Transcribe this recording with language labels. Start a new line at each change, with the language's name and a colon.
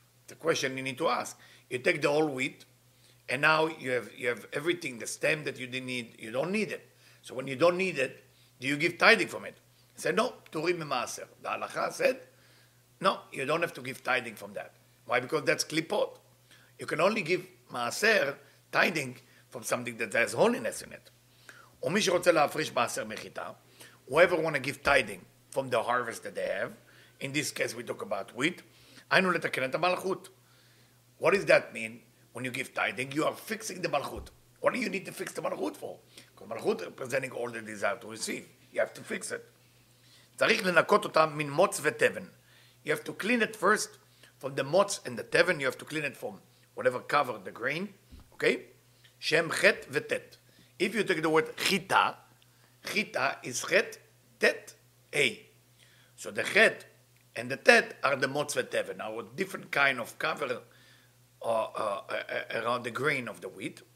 English: The question you need to ask. You take the whole wheat, and now you have everything, the stem that you didn't need, you don't need it. So when you don't need it, do you give tithing from it? He said, no, p'turim memaser. The halacha said, no, you don't have to give tithing from that. Why? Because that's klipot. You can only give maaser, tithing, from something that has holiness in it.
Hebrew: ומי שרוצה להפריש מעשר מחיטה,
English: whoever want to give tithing from the harvest that they have, in this case we talk about wheat,
Hebrew: היינו לתקן את המלכות.
English: What does that mean? When you give tithing, you are fixing the מלכות. What do you need to fix the מלכות for? Because מלכות representing all the desire to receive. You have to fix it.
Hebrew: צריך לנקות אותם מן מוץ ותבן.
English: You have to clean it first from the מוץ and the תבן. You have to clean it from whatever covered the grain. Okay?
Hebrew: Shem chet vetet.
English: If you take the word chita, chita is chet tet a. So the chet and the tet are the motz v'teven, our different kind of cover around the grain of the wheat.